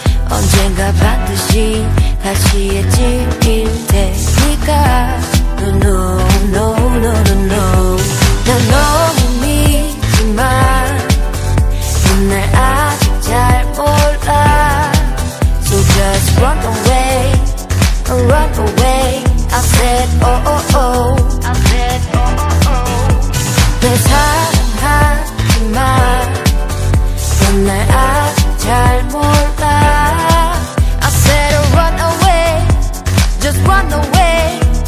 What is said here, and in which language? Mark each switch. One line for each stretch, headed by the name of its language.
Korean: 언젠가 반드시 다시 해질 테니까.
English: No, no, no, no, no, no.
Korean: 난 너무 믿지만 넌 날 아직 잘 몰라.
English: So just run away, run away. I said oh oh oh, I said oh oh oh.
Korean: 내 사랑하지만 넌 날 아직 잘 몰라.
English: I said oh, run away, just run away.